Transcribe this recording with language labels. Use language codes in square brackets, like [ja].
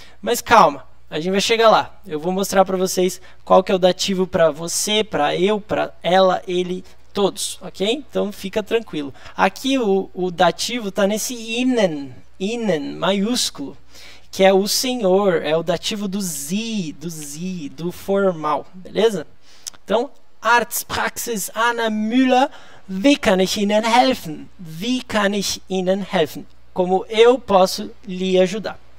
[pt] Mas calma, a gente vai chegar lá. Eu vou mostrar para vocês qual que é o dativo para você, para eu, para ela, ele, todos, ok? Então fica tranquilo. Aqui o dativo está nesse innen, innen, maiúsculo, que é o senhor, é o dativo do sie, do formal, beleza? Então, [de] Arztpraxis Anna Müller, wie kann ich Ihnen helfen? Wie kann ich Ihnen helfen? [pt] Como eu posso lhe ajudar?